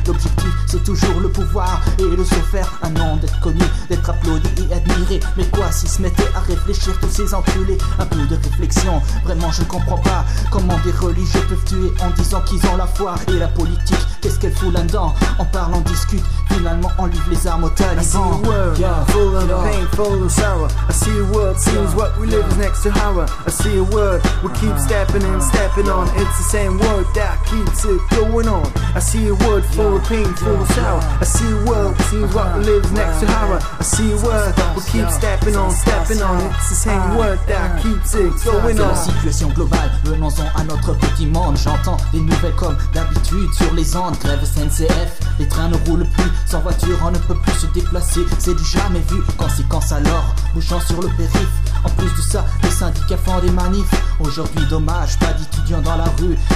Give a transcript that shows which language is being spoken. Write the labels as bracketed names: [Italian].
[French] L'objectif, c'est toujours le pouvoir et de se faire un nom, d'être connu, d'être applaudi et admiré. Mais quoi s'ils se mettaient à réfléchir, tous ces enculés? Un peu de réflexion, vraiment je comprends pas comment des religieux peuvent tuer en disant qu'ils ont la foi. Et la politique, qu'est-ce qu'elle fout là-dedans? On parle, on discute, finalement on livre les armes aux talibans. [English] I see a world, full of pain, full of sour. I see a world, seems what we live is next to horror. I see a world, we keep stepping and stepping on. It's the same world that keeps it going on. I see a world full of pain, full of sour. I see a world, seems what we live is next to horror. I see a world, we keep stepping on, stepping on. It's the same world that keeps it going on. [French] C'est la situation globale, venons-en à notre petit monde. J'entends des nouvelles comme d'habitude sur les ondes. Grève SNCF, les trains ne roulent plus. Sans voiture, on ne peut plus se déplacer. C'est du jamais vu, conséquence alors, bougeant sur le périph'. En plus de ça, les syndicats font des manifs. Aujourd'hui, dommage, pas d'étudiants dans la rue.